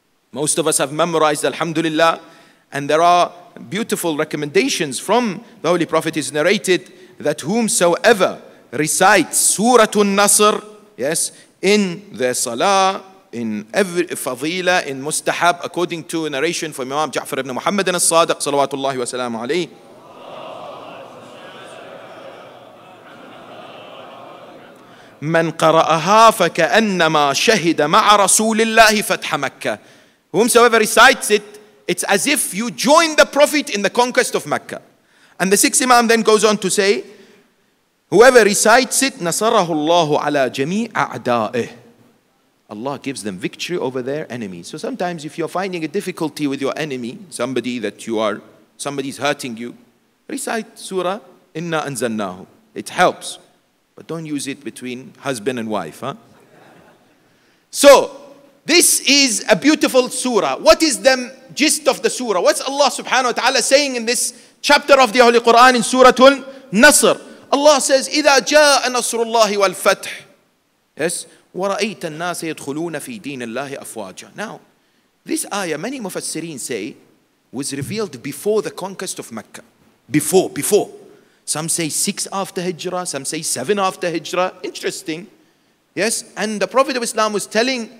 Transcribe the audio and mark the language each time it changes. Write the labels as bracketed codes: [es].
[en] Most of us have memorized, alhamdulillah, and there are beautiful recommendations from the Holy Prophet is narrated that whomsoever recites Surah An-Nasr, yes, in the Salah, in every Fadila, in Mustahab, according to a narration from Imam Ja'far ibn Muhammad and As-Sadiq, salawatullahi wa salamu alayhi. [ar] من قرأها فكأنما شهد مع رسول الله فتح مكة. [en] Whomsoever recites it, it's as if you join the Prophet in the conquest of Mecca. And the sixth Imam then goes on to say, whoever recites it, [ar] نَصَرَهُ اللَّهُ عَلَى جَمِيعَ أَعْدَائِهِ. [en] Allah gives them victory over their enemies. So sometimes if you're finding a difficulty with your enemy, somebody's hurting you, recite Surah Inna Anzalnahu. It helps. But don't use it between husband and wife. Huh? So, this is a beautiful surah. What is the gist of the surah? What's Allah subhanahu wa ta'ala saying in this chapter of the Holy Quran in Surah An-Nasr? Allah says, [ar] إِذَا جَاءَ نَصْرُ اللَّهِ وَالْفَتْحِ. [en] Yes? [ar] وَرَأَيْتَ النَّاسَ يَدْخُلُونَ فِي دِينَ اللَّهِ أَفْوَاجًا. [en] Now, this ayah, many mufassirin say, was revealed before the conquest of Mecca. Before. Some say 6 after Hijrah, some say 7 after Hijrah. Interesting. Yes, and the Prophet of Islam was telling